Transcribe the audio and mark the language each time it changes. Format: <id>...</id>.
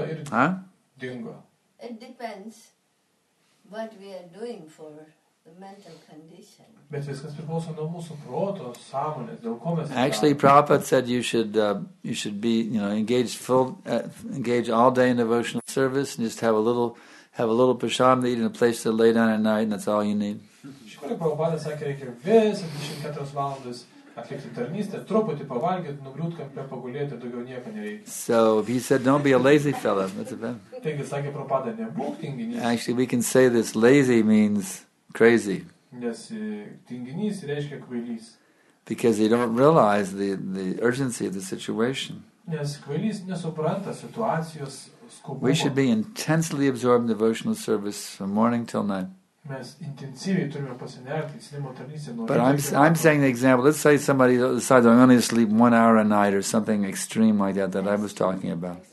<en>It depends what we are doing for the mental condition.</en> <lt>Bet viskas priklauso nuo mūsų proto, sąmonės, dėl ko mes.</lt> <en>Actually, Prabhupada said you should be, you know, engage all day in devotional service and just have a little prasadam to eat in a place to lay down at night, and that's all you need.</en> <lt>Prabhupada sakė, reikia visą 24 valandas atlikti tarnystę, truputį pavalgyti, nugriūti kampe, pagulėti, daugiau nieko nereikia.</lt> <en>So he said, don't be a lazy fella. That's a bad.</en> <lt>Taigi sakė Prabhupada, nebūk tinginys.</lt> <en>Actually, we can say this, lazy means crazy.</en> <lt>Nes tinginys reiškia kvailys.</lt> <en>Because they don't realize the urgency of the situation.</en> <lt>Nes kvailys nesupranta situacijos.</lt> <en>We should be intensely absorbed in devotional service from morning till night. But I'm saying the example, let's say somebody decides I'm only to sleep 1 hour a night or something extreme like that I was talking about.</en>